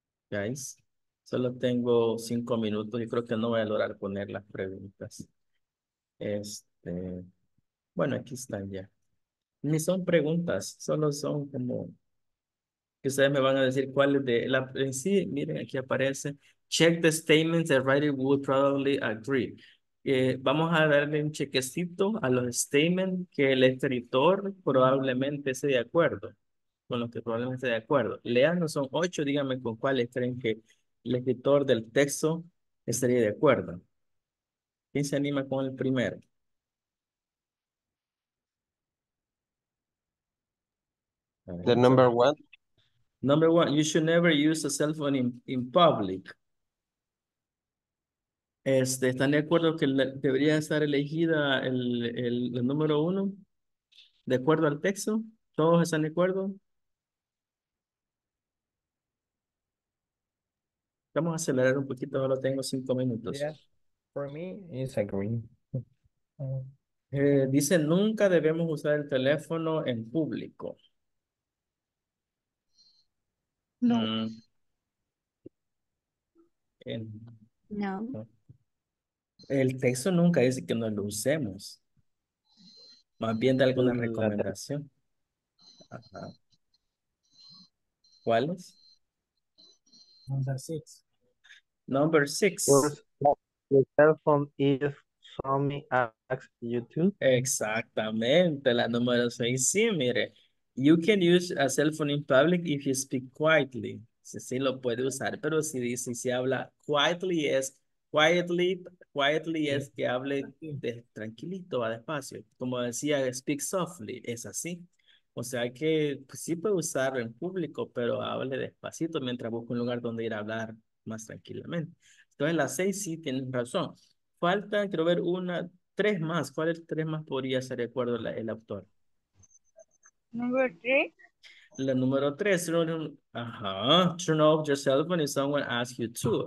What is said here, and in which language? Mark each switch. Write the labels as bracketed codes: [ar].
[es] Guys, solo tengo 5 minutos y creo que no voy a lograr poner las preguntas. Este, bueno, aquí están ya. Ni son preguntas, solo son como que ustedes me van a decir cuál es de la. En sí, miren, aquí aparece. [en] Check the statements the writer would probably agree. [es] Vamos a darle un chequecito a los statements que el escritor probablemente esté de acuerdo. Con los que probablemente esté de acuerdo. Leanos, son 8. Díganme con cuáles creen que el escritor del texto estaría de acuerdo. ¿Quién se anima con el primero? [en] The number one. Number one. You should never use a cell phone in public. [es] Este, ¿están de acuerdo que debería estar elegida el número uno? ¿De acuerdo al texto? ¿Todos están de acuerdo? Vamos a acelerar un poquito, solo tengo 5 minutos. [en] Yeah, for me, it's a green. [es] Dice, nunca debemos usar el teléfono en público. No. No. El texto nunca dice que no lo usemos. Más bien da alguna recomendación. Ajá. ¿Cuáles? [en] Number six. Number six. Your cell phone is something you too. [es] Exactamente, la número seis. Sí, mire. [en] You can use a cell phone in public if you speak quietly. [es] Sí, sí, lo puede usar, pero si dice, si habla quietly, es quietly, quietly es que hable de, tranquilito, va despacio. Como decía, [en] speak softly, [es] es así. O sea que pues, sí puede usarlo en público, pero hable despacito mientras busca un lugar donde ir a hablar más tranquilamente. Entonces, las seis sí tienen razón. Falta, quiero ver una, tres más. ¿Cuáles tres más podría ser de acuerdo la, el autor? [en] Number three. [es] La número tres. Ajá. [en] Turn off your cell phone if someone asks you to.